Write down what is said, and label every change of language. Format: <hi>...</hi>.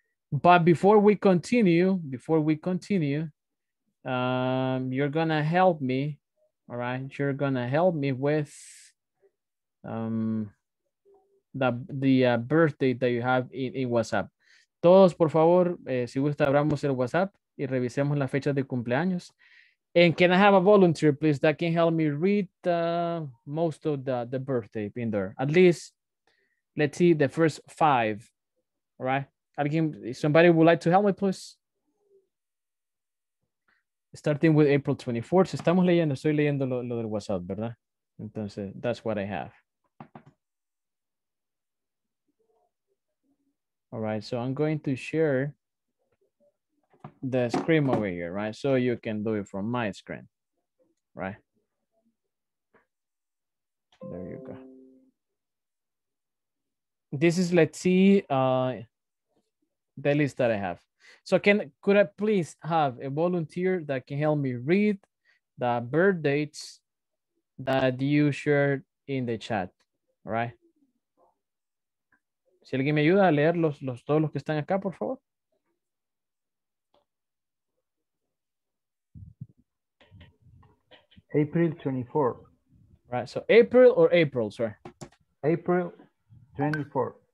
<en>But before we continue, you're gonna help me, all right? You're gonna help me with the birthday that you have in WhatsApp.</en> <es>Todos, por favor, si gusta, abramos el WhatsApp y revisemos la fecha de cumpleaños.</es> <en>And can I have a volunteer, please, that can help me read most of the birthday in there, at least. Let's see the first 5, all right? Somebody would like to help me, please? Starting with April 24th.</en> <es>Estamos leyendo, estoy leyendo lo del WhatsApp, ¿verdad? Entonces,</es> <en>that's what I have. All right, so I'm going to share the screen over here, right? So you can do it from my screen, right? There you go. This is, let's see, the list that I have. So could I please have a volunteer that can help me read the birth dates that you shared in the chat, all right?</en> <es>Si alguien me ayuda a leer todos los que están acá, por favor.</es> <en>April 24. Right, so April or April, sorry. April 24th.</en>